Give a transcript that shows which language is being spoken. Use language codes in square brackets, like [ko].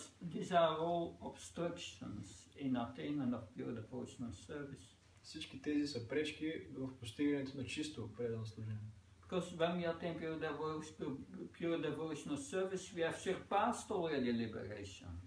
[en] These are all obstructions in attainment of pure devotional service. [bg] Всички тези са пречки в постигането на чисто предано служение. [en] Because when we attain pure devotional service, we have surpassed already liberation.